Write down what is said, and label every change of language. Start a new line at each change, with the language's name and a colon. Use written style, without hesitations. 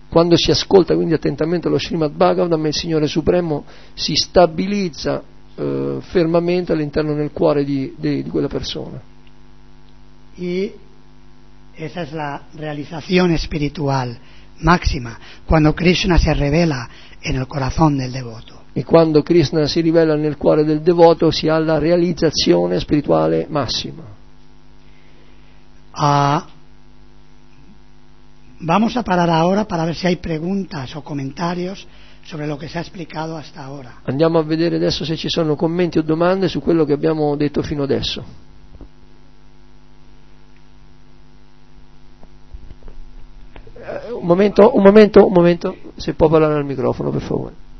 Italian: Quando si ascolta quindi attentamente lo Srimad Bhagavatam, il Signore Supremo si stabilizza fermamente all'interno nel cuore di quella persona.
Spanish: E esa es la realización espiritual máxima, cuando Krishna se revela en el corazón del devoto.
Italian: e quando Krishna si rivela nel cuore del devoto si ha la realizzazione spirituale massima.
Spanish: Vamos a parar ahora para ver si hay preguntas o comentarios sobre lo que se ha explicado hasta ahora.
Italian: Andiamo a vedere adesso se ci sono commenti o domande su quello che abbiamo detto fino adesso. Un momento, se può parlare al microfono, per favore.